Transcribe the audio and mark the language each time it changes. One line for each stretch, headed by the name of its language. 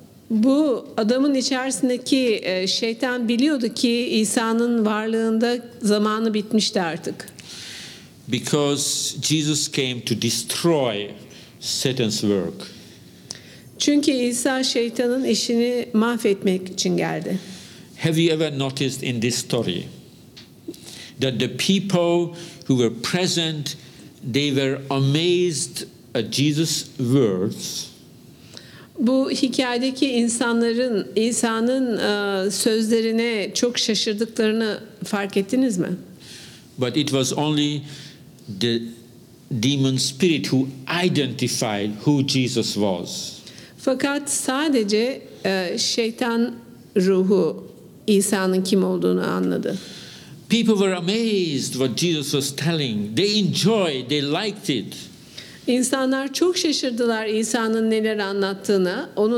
Turkish: Bu adamın içerisindeki şeytan biliyordu ki İsa'nın varlığında zamanı bitmişti artık.
English: Because Jesus came to destroy Satan's work.
Turkish: Çünkü İsa şeytanın işini mahvetmek için geldi.
English: Have you ever noticed in this story that the people who were present, they were amazed at Jesus' words?
Turkish: Bu hikayedeki insanların İsa'nın sözlerine çok şaşırdıklarını fark ettiniz mi?
English: But it was only the demon spirit who identified who Jesus was.
Turkish: Fakat sadece şeytan ruhu İsa'nın kim olduğunu anladı.
English: People were amazed what Jesus was telling. They enjoyed, they liked it.
Turkish: İnsanlar çok şaşırdılar İsa'nın neler anlattığına.